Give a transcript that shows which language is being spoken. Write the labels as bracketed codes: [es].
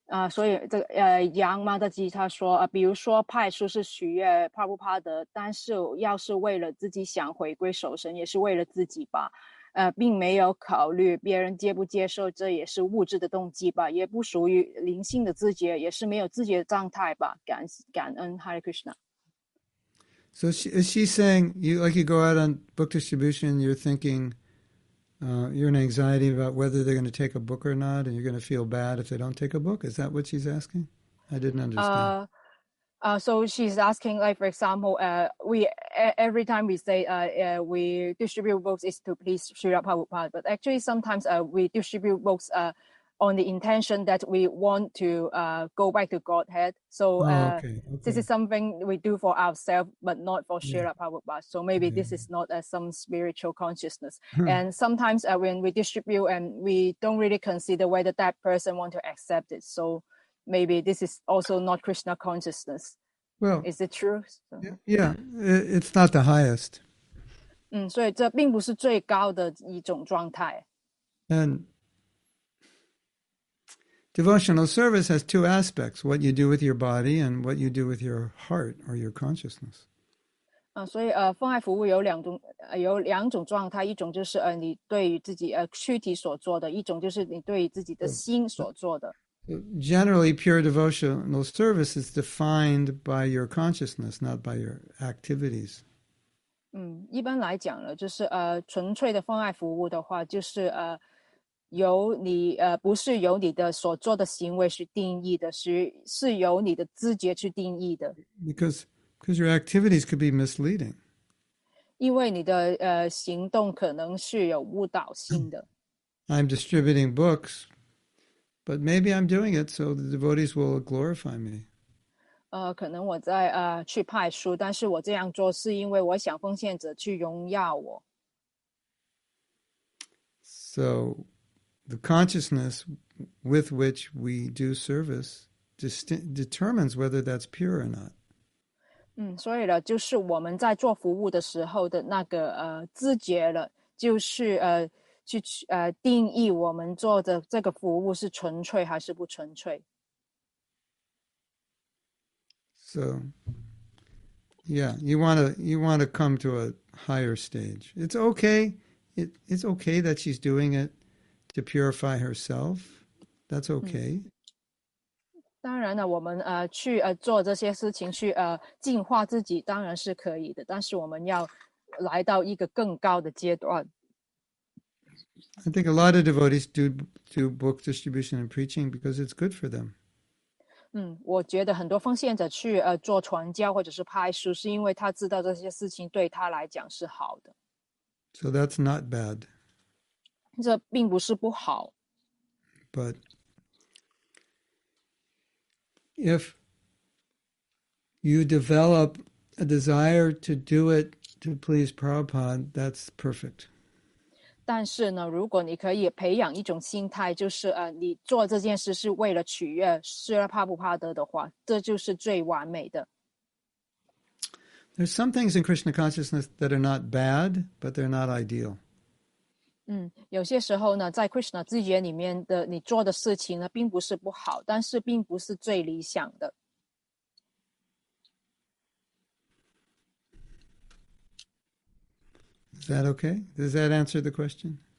[zh] 所以这杨妈的吉他说比如说派出是许愿帕布帕德，但是要是为了自己想回归守神，也是为了自己吧。并没有考虑别人接不接受，这也是物质的动机吧，也不属于灵性的自觉，也是没有自觉的状态吧。感恩 Hare Krishna。 [en] So she's saying, you go out on book distribution, you're thinking, you're in anxiety about whether they're going to take a book or not, and you're going to feel bad if they don't take a book? Is that what she's asking? I didn't understand. So she's asking, like, for example, every time we say we distribute books is to please Srila Prabhupada, but actually sometimes we distribute books on the intention that we want to go back to Godhead. So this is something we do for ourselves, but not for Srila Prabhupada. So maybe this is not some spiritual consciousness. And sometimes when we distribute and we don't really consider whether that person wants to accept it. So maybe this is also not Krishna consciousness. Well, is it true? Yeah, it's not the highest. [zh] 所以这并不是最高的一种状态。 [en] And devotional service has two aspects, what you do with your body and what you do with your heart or your consciousness. [zh] 所以奉爱服务有两种状态，一种就是你对于自己躯体所做的，一种就是你对于自己的心所做的。 [en] Generally, pure devotional service is defined by your consciousness, not by your activities. [zh] 一般来讲呢，就是纯粹的奉爱服务的话，就是由你不是由你的所做的行为去定义的，是由你的知觉去定义的。 [en] Because your activities could be misleading. [zh] 因为你的行动可能是有误导性的。 [en] I'm distributing books, but maybe I'm doing it so the devotees will glorify me. [zh] 可能我在去派书，但是我这样做是因为我想奉献者去荣耀我。 [en] So. The consciousness with which we do service determines whether that's pure or not. [zh] 所以呢，就是我们在做服务的时候的那个知觉了，就是去定义我们做的这个服务是纯粹还是不纯粹。 [en] So, yeah, you want to come to a higher stage. It's okay. It's okay that she's doing it. To purify herself, that's okay. [zh] 当然了，我们去做这些事情去净化自己，当然是可以的。但是我们要来到一个更高的阶段。 [en] I think a lot of devotees do book distribution and preaching because it's good for them. [zh] 我觉得很多奉献者去做传教或者是派书，是因为他知道这些事情对他来讲是好的。 [en] So that's not bad. [zh] 这并不是不好。 [en] But if you develop a desire to do it to please Prabhupada, that's perfect. [zh] 但是呢，如果你可以培养一种心态，就是你做这件事是为了取悦斯拉帕布帕德的话，这就是最完美的。 [en] There's some things in Krishna consciousness that are not bad, but they're not ideal. [zh] 有些时候呢，在 Krishna 自觉里面的你做的事情呢，并不是不好，但是并不是最理想的。 [en] Is that okay? Does that answer the question?